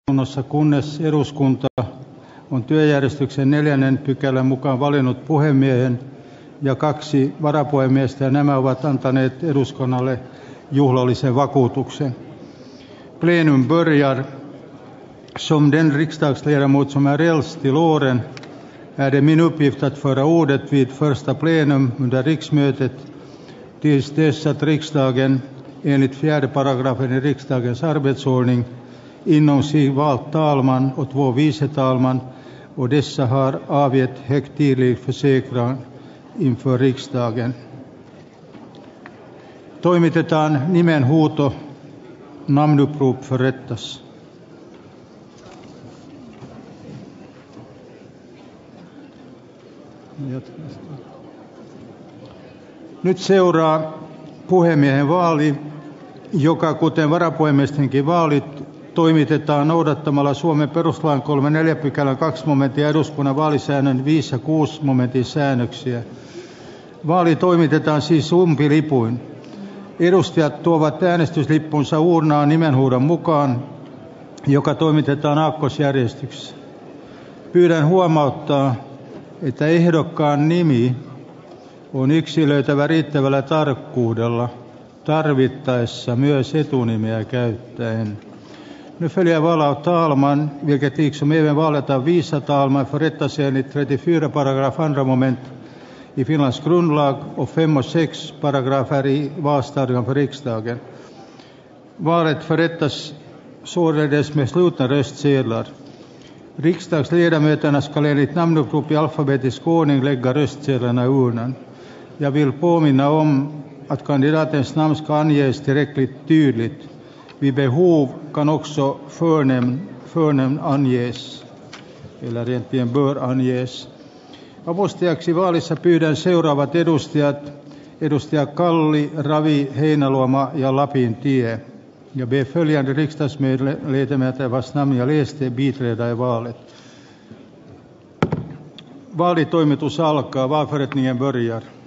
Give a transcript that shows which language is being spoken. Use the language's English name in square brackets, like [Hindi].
[Finnish] Eduskunnassa, kunnes eduskunta on työjärjestyksen 4 pykälän mukaan valinnut puhemiehen ja 2 varapuhemiestä, ja nämä ovat antaneet eduskunnalle juhlallisen vakuutuksen. [Swedish] Plenum börjar, som den riksdagsledamot som är äldst i låren, är det min uppgift att föra ordet vid första plenum under riksmötet tills dess att riksdagen enligt 4 § i riksdagens arbetsordning inom sig valt talman och 2 vice talman, och dessa har avgett högtidlig försäkran inför riksdagen. [Finnish] Toimitetaan nimenhuuto. [Swedish] Namnupprop förrättas. [Finnish] Nyt seuraa puhemiehen vaali, joka kuten varapuhemiestenkin vaalit toimitetaan noudattamalla Suomen perustuslain 34 pykälän 2 momentin ja eduskunnan vaalisäännön 5 ja 6 momentin säännöksiä. Vaali toimitetaan siis umpilipuin. Edustajat tuovat äänestyslippunsa uurnaan nimenhuudon mukaan, joka toimitetaan aakkosjärjestyksessä. Pyydän huomauttaa, että ehdokkaan nimi on yksilöitävä riittävällä tarkkuudella, tarvittaessa myös etunimeä käyttäen. [Swedish] Nu följer jag val av talman, vilket liksom även valet av vice talman förrättas enligt 34 paragraf 2 moment i Finlands grundlag och 5 och 6 paragrafer i valstadgan för riksdagen. Valet förrättas således med slutna röstsedlar. Riksdagsledamöterna skall enligt namnupprop i alfabetisk ordning lägga röstsedlarna i urnan. Jag vill påminna om att kandidatens namn ska anges tillräckligt tydligt. Vid behov kan också förnamn anges, eller egentligen bör anges. [Finnish] Avustajaksi vaalissa pyydän seuraavat edustajat, edustaja Kalli, Ravi, Heinaluoma ja Lapin tie. [Swedish] Ja be följande riksdagsledamöter vars namn jag läste biträda i valet. [Finnish] Vaalitoimitus alkaa, [Swedish] valförrättningen börjar.